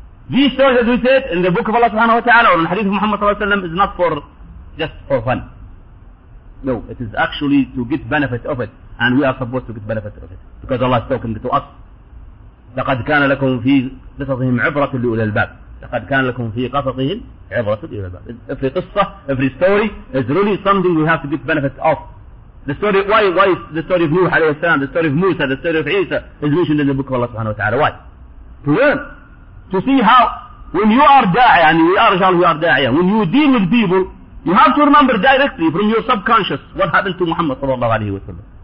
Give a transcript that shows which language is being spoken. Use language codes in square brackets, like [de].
[en] These stories, as we said, in the book of Allah subhanahu wa ta'ala, or in the hadith of Muhammad sallallahu alayhi wa sallam, is not for just for fun. No, it is actually to get benefit of it, and we are supposed to get benefit of it, because Allah is talking to us. [ar] لقد كان لكم في قصصهم عبرة لأولي الباب. لقد كان لكم في قصصهم عبرة لأولي الباب. [en] Every قصة, every story is really something we have to get benefit of. The story, why the story of Nuh [ar] عليه السلام, [en] the story of Musa, the story of Isa is mentioned in the book of Allah [ar] سبحانه وتعالى. [en] Why? To learn. To see how, when you are da'i, and we are da'i, when you deal with people, you have to remember directly from your subconscious what happened to Muhammad [ar] صلى الله عليه وسلم.